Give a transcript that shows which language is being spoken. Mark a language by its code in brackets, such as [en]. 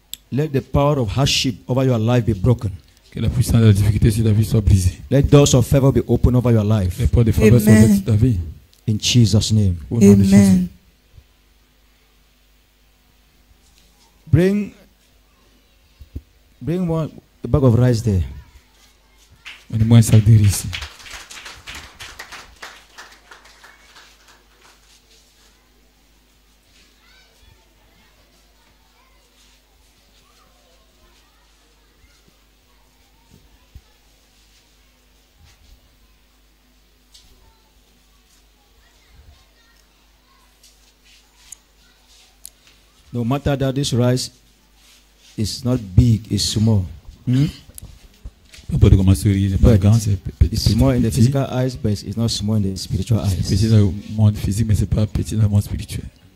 [en] Let the power of hardship over your life be broken. [fr] Que la puissance de la difficulté sur ta vie soit brisée. [en] Let doors of favor be open over your life. [fr] Les portes de faveur soient ouvertes sur ta vie. [en] In Jesus' name. [fr] Au nom de Jésus. [en] Bring one, a bag of rice there. [fr] Donne-moi un sac de riz ici. [en] No matter that this rice is not big, it's small. It's small in the physical eyes, but it's not small in the spiritual eyes. [fr] Petit dans le monde physique, mais c'est pas petit dans le monde spirituel.